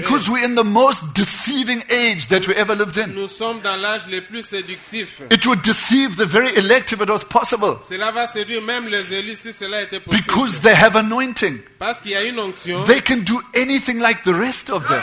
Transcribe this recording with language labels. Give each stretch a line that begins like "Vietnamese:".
English: Because we're in the most deceiving age that we ever lived in.
French: Nous sommes dans l'âge le plus séductif.
English: It would deceive the very elect if it was possible.
French: Cela va séduire même les élus si cela était possible.
English: Because they have anointing.
French: Parce qu'il y a une onction.
English: They can do anything like the rest of them.